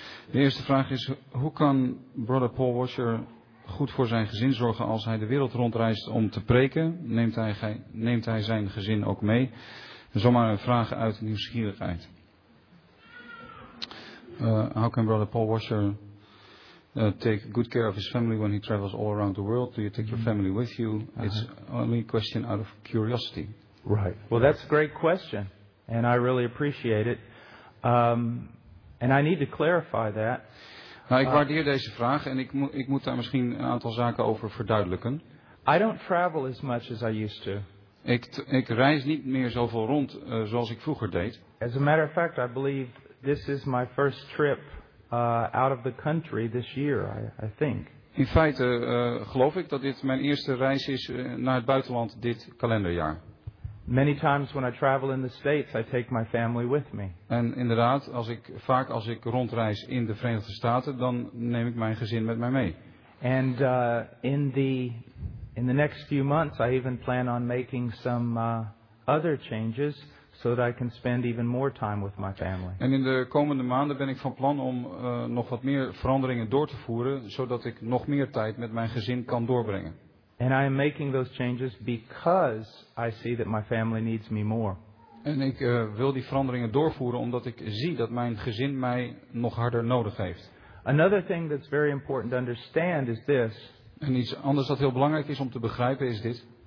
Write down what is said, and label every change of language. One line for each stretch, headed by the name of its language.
Dutch: De eerste vraag is, hoe kan Brother Paul Washer goed voor zijn gezin zorgen als hij de wereld rondreist om te preken? Neemt hij zijn gezin ook mee? Zomaar een vraag uit nieuwsgierigheid.
English: How can Brother Paul Washer take good care of his family when he travels all around the world? Do you take your family with you? It's only a question out of curiosity. Right. Well, that's a great question, and I really appreciate it. And I need to clarify that.
Dutch: Nou, ik waardeer deze vraag en ik moet daar misschien een aantal zaken over verduidelijken.
English: I don't travel as much as I used to.
Dutch: Ik reis niet meer zoveel rond zoals ik vroeger deed.
English: As a matter of fact, I believe this is my first trip out of the country this year, I think.
Dutch: In feite geloof ik dat dit mijn eerste reis is naar het buitenland dit kalenderjaar.
English: Many times when I travel in the States, I take my family with me.
Dutch: En inderdaad, als ik rondreis in de Verenigde Staten, dan neem ik mijn gezin met mij mee.
English: And in the next few months, I even plan on making some other changes so that I can spend even more time with my family.
Dutch: En in de komende maanden ben ik van plan om nog wat meer veranderingen door te voeren, zodat ik nog meer tijd met mijn gezin kan doorbrengen.
English: And I am making those changes because I see that my family needs me more.
Dutch: En ik wil die veranderingen doorvoeren omdat ik zie dat mijn gezin mij nog harder nodig heeft.
English: Another thing that's very important to understand is this.
Dutch: En iets anders dat heel belangrijk is om te begrijpen is dit.